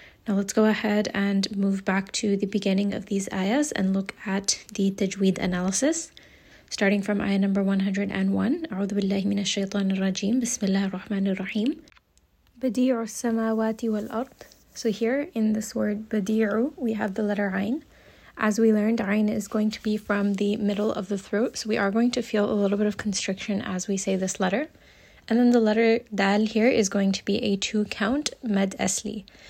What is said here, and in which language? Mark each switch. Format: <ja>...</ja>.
<en>Now let's go ahead and move back to the beginning of these ayahs and look at the tajweed analysis. Starting from ayah number 101,</en> <ar>أعوذ بالله من الشيطان الرجيم بسم الله الرحمن الرحيم بديع السماوات والأرض.</ar> <en>So here in this word بديع we have the letter عين. As we learned, عين is going to be from the middle of the throat, so we are going to feel a little bit of constriction as we say this letter. And then the letter دال here is going to be a two count مد أسلي.</en>